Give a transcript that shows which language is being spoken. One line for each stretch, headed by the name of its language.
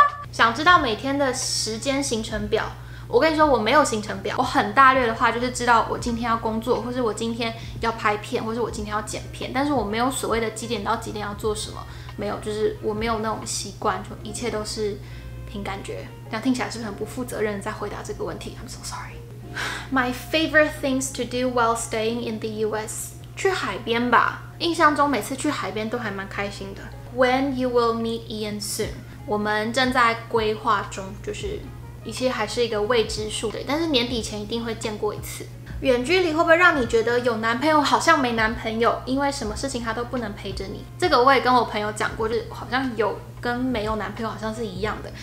Chinese: 想知道每天的时间行程表？我跟你说，我没有行程表，我很大略的话就是知道我今天要工作，或是我今天要拍片，或是我今天要剪片，但是我没有所谓的几点到几点要做什么，没有，就是我没有那种习惯，就一切都是凭感觉。这样听起来是不是很不负责任在回答这个问题？
English: I'm so sorry. My favorite things to do while staying in the US.
Chinese: 去海边吧，印象中每次去海边都还蛮开心的。
English: When you will meet Ian soon.
Chinese: 我们正在规划中，就是一切还是一个未知数，对，但是年底前一定会见过一次。远距离会不会让你觉得有男朋友好像没男朋友？因为什么事情他都不能陪着你。这个我也跟我朋友讲过，就是好像有跟没有男朋友好像是一样的。